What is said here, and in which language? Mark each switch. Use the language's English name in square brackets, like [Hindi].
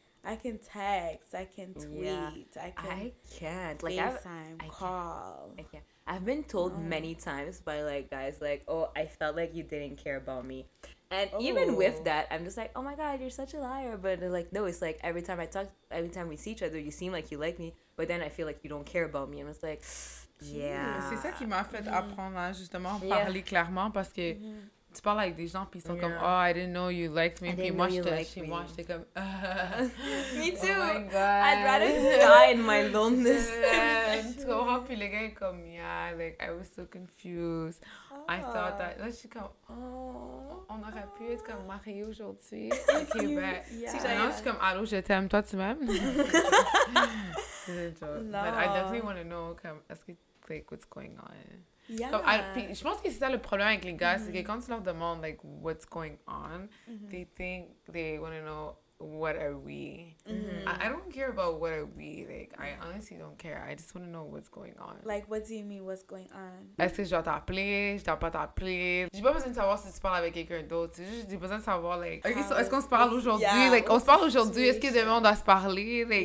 [English] Like, I can text, I can tweet, I can't FaceTime, call. I've been told many times by like guys, like, oh, I felt like you didn't care about me. And even with that, I'm just like, oh my God, you're such a liar. But they're like, no, it's like every time we see each other, you seem like you like me. But then I feel like you don't care about me. And it's like, [French] C'est ça qui m'a fait apprendre, justement, parler clairement. Parce que tu parles avec des gens, puis ils sont comme, [English] oh, I didn't know you liked me. [French] Puis moi, j'étais comme, [English] me too. Oh my God. I'd rather die in my loneliness. [French] Tu comprends? Puis le gars est comme, [English] yeah, like, I was so confused. I thought that. [French] Là, je suis comme, oh, on aurait pu être comme mariés aujourd'hui. Ok, ben. Yeah. Non, je suis comme, allô, je t'aime, toi, tu m'aimes? C'est un joke. [English] No. But I definitely want to know, comme, [French] est-ce que, [English] like, what's going on? Yeah. [French] Comme, je pense que c'est ça le problème avec les gars, c'est que quand tu leur demandes, like, [English] what's going on, they think they want to know, what are we? I don't care about what are we. Like, I honestly don't care. I just want to know what's going on. Like, what do you mean, what's going on? [French] Est-ce que je dois t'appeler? Je dois pas t'appeler? J'ai pas besoin de savoir si tu parles avec quelqu'un d'autre. J'ai besoin de savoir, like, est-ce qu'on se parle aujourd'hui? Yeah, like, on se parle aujourd'hui. Est-ce que demain on doit se parler?